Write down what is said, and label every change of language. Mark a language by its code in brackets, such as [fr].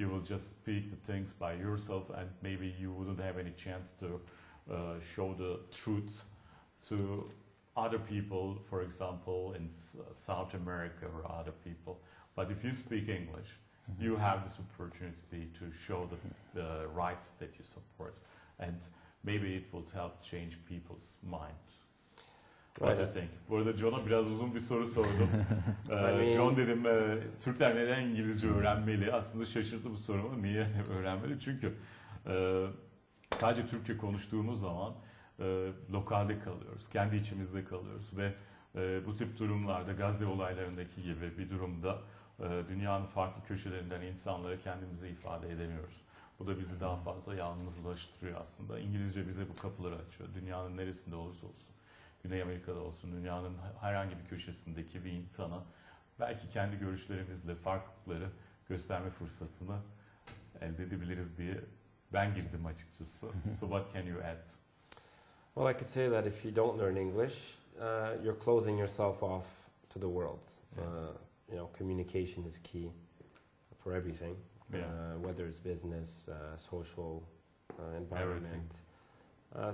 [en] You will just speak the things by yourself and maybe you wouldn't have any chance to show the truth to other people, for example, in South America or other people. But if you speak English, mm-hmm. you have this opportunity to show the rights that you support. And maybe it will help change people's minds. What do you think? [tr] Bu arada John'a biraz uzun bir soru sordum. John dedim, Türkler neden İngilizce öğrenmeli? Aslında şaşırdı bu sorumu. Niye öğrenmeli? Çünkü sadece Türkçe konuştuğumuz zaman lokalde kalıyoruz. Kendi içimizde kalıyoruz. Ve bu tip durumlarda, Gazze olaylarındaki gibi bir durumda dünyanın farklı köşelerinden insanlara kendimizi ifade edemiyoruz. Bu da bizi daha fazla yalnızlaştırıyor aslında. İngilizce bize bu kapıları açıyor. Dünyanın neresinde olursa olsun. Güney Amerika'da olsun, dünyanın herhangi bir köşesindeki bir insana belki kendi görüşlerimizle farklılıkları gösterme fırsatını elde edebiliriz diye ben girdim açıkçası. [en] So what can you add? Well, I could say that if you don't learn English, you're closing yourself off to the world. Yes. You know, communication is key for everything. Yeah. Whether it's business, social, environment. Everything.